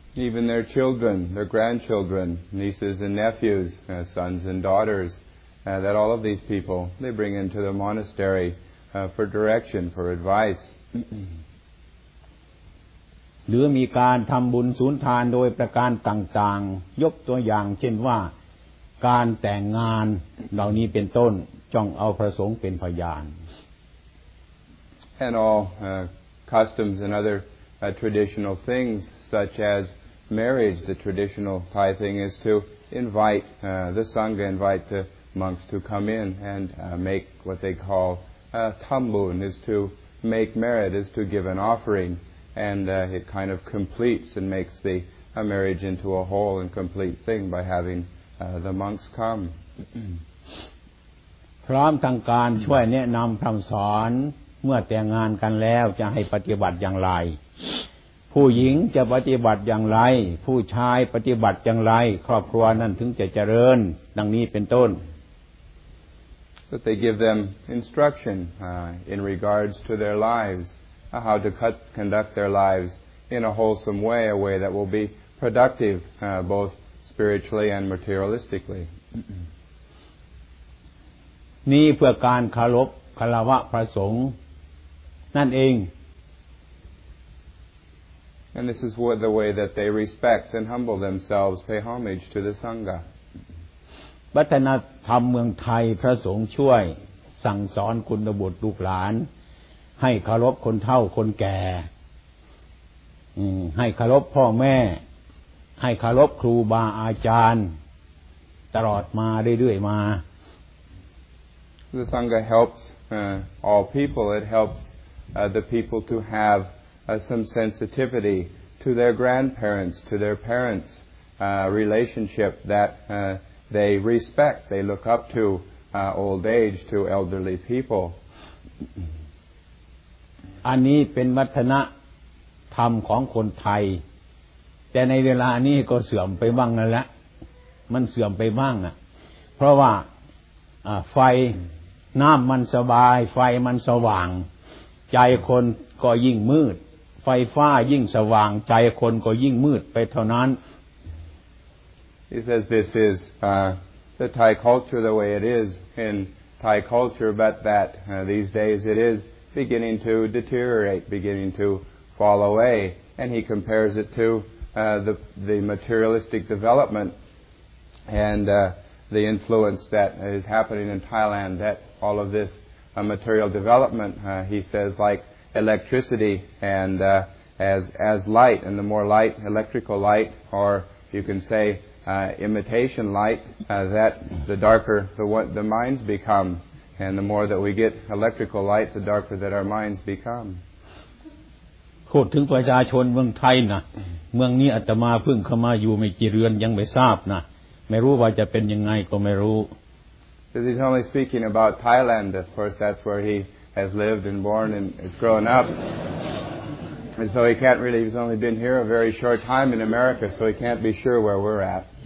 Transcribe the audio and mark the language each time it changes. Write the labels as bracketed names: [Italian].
[English] Even their children, their grandchildren, nieces and nephews, sons and daughters, that all of these people they bring into the monastery for direction, for advice. [Thai] หรือมีการทำบุญสุนทานโดยประการต่างๆยกตัวอย่างเช่นว่าการแต่งงานเหล่านี้เป็นต้นจ้องเอาพระสงฆ์เป็นพยาน [English] And all customs and other traditional things such as marriage the traditional Thai thing is to invite the Sangha invite the monks to come in and make what they call thambun is to make merit is to give an offering and it kind of completes and makes the marriage into a whole and complete thing by having the monks come [Thai] พร้อมทางการช่วยแนะนำคำสอนเมื่อแต่งงานกันแล้วจะให้ปฏิบัติอย่างไรผู้หญิงจะปฏิบัติอย่างไรผู้ชายปฏิบัติอย่างไรครอบครัวนั้นถึงจะเจริญดังนี้เป็นต้น [English] that they give them instruction in regards to their lives, how to conduct their lives in a wholesome way, a way that will be productive both spiritually and materialistically. [Thai] นี่เพื่อการคารวะคารวะพระสงฆ์นั่นเอง [English] And this is what the way that they respect and humble themselves, pay homage to the Sangha. [Thai] วัฒนธรรมเมืองไทยพระสงฆ์ช่วยสั่งสอนคุณบุตรลูกหลานให้คารวะคนเฒ่าคนแก่ให้คารวะพ่อแม่ให้คารวะครูบาอาจารย์ตลอดมาเรื่อยๆมา [English] The Sangha helps all people. It helps the people to have some sensitivity to their grandparents, to their parents' relationship that they respect, they look up to old age, to elderly people. [Thai] อันนี้เป็นวัฒนธรรมของคนไทยแต่ในเวลานี้ก็เสื่อมไปบ้างแล้วละมันเสื่อมไปบ้างอ่ะเพราะว่าไฟน้ำมันสบายไฟมันสว่างใจคนก็ยิ่งมืดไฟฟ้ายิ่งสว่างใจคนก็ยิ่งมืดไปเท่านั้น [English] He says this is the Thai culture the way it is in Thai culture but that these days it is beginning to deteriorate beginning to fall away and he compares it to the materialistic development andThe influence that is happening in Thailand, that all of this material development, he says, like electricity and as light, and the more light, electrical light, or you can say imitation light, that the darker the minds become, and the more that we get electrical light, the darker that our minds become. [Thai] พูดถึงประชาชนเมืองไทยนะเมืองนี้อาตมาเพิ่งเข้ามาอยู่ไม่กี่เรือนยังไม่ทราบนะไม่รู้ว่าจะเป็นยังไงก็ไม่รู้ [English] This is only speaking about Thailand. Of course, that's where he has lived and born and is grown up. And so he can't really, he's only been here a very short time in America, so he can't be sure where we're at.